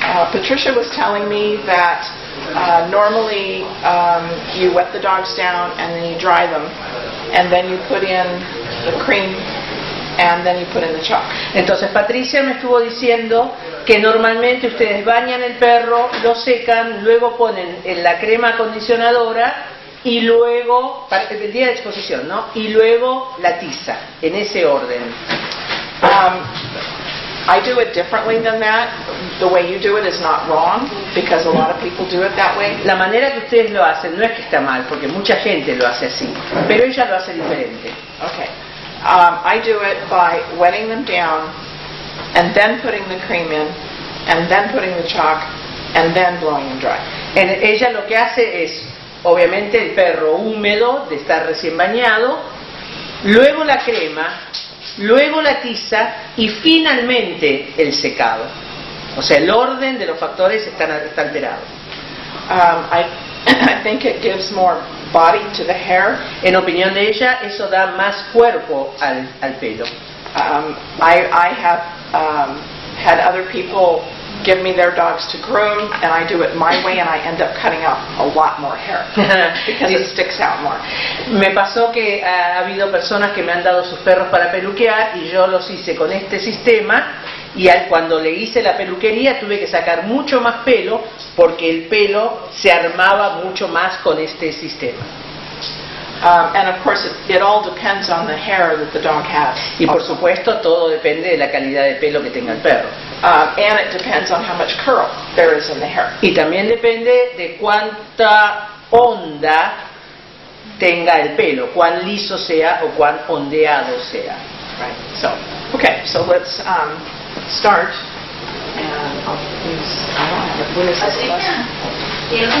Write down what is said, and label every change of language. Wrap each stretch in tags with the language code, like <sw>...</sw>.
<en>Patricia was telling me that normally you wet the dogs down and then you dry them and then you put in the cream and then you put in the chalk.</en> <es>Entonces Patricia me estuvo diciendo que normalmente ustedes bañan el perro, lo secan, luego ponen en la crema acondicionadora y luego, para el día de exposición, ¿no? Y luego la tiza, en ese orden.</es> <en>I do it differently than that. The way you do it is not wrong, because a lot of people do it that way.</en> <es>La manera que ustedes lo hacen no es que está mal, porque mucha gente lo hace así. Pero ella lo hace diferente.</es> <en>Okay. I do it by wetting them down, and then putting the cream in, and then putting the chalk, and then blowing them dry.</en> <es>En ella lo que hace es, obviamente, el perro húmedo, de estar recién bañado, luego la crema, luego la tiza y finalmente el secado. O sea, el orden de los factores está alterado.</es> <en>I think it gives more body to the hair.</en> <es>En opinión de ella, eso da más cuerpo al pelo.</es> <en>I have had other people give me their dogs to groom, and I do it my way, and I end up cutting out a lot more hair because it sticks out more.</en> <es>Me pasó que ha habido personas que me han dado sus perros para peluquear y yo los hice con este sistema, y cuando le hice la peluquería tuve que sacar mucho más pelo porque el pelo se armaba mucho más con este sistema.</es> <en>And of course, it all depends on the hair that the dog has.</en> <es>Y por supuesto, todo depende de la calidad de pelo que tenga el perro.</es> <en>And it depends on how much curl there is in the hair.</en> <es>Y también depende de cuánta onda tenga el pelo, cuán liso sea o cuán ondeado sea.</es> <en>Right. So, okay. So let's start. And I'll use. I don't have a witness.</en>